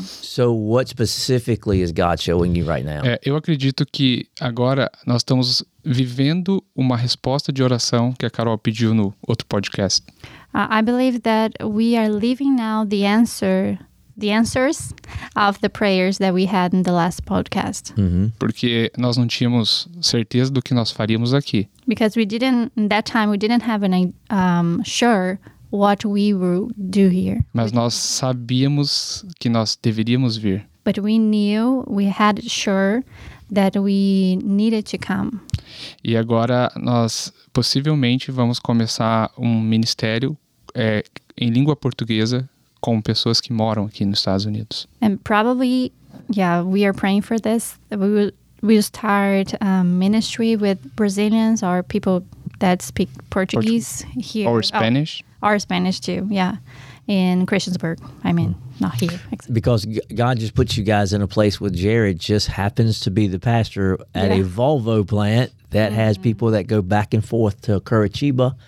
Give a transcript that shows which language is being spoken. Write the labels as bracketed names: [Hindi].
[English] So, what specifically is God showing you right now? [Portuguese] Eu acredito que agora nós estamos vivendo uma resposta de oração que a Carol pediu no outro podcast. [English] I believe that we are living now the answer. The answers of the prayers that we had in the last podcast. Uhum. [Portuguese] Porque nós não tínhamos certeza do que nós faríamos aqui. [English] Because we didn't, in that time, we didn't have any sure what we would do here. [Portuguese] Mas nós sabíamos que nós deveríamos vir. [English] But we knew, we had sure that we needed to come. [Portuguese] E agora nós possivelmente vamos começar um ministério em língua portuguesa. Com pessoas que moram aqui nos Estados Unidos. [English] And probably, yeah, we are praying for this. We will start ministry with Brazilians or people that speak Portuguese here. Or Spanish. Oh, or Spanish too, yeah. In Christiansburg, I mean, not here. Exactly. Because God just puts you guys in a place where Jared just happens to be the pastor at a Volvo plant that has people that go back and forth to Curitiba.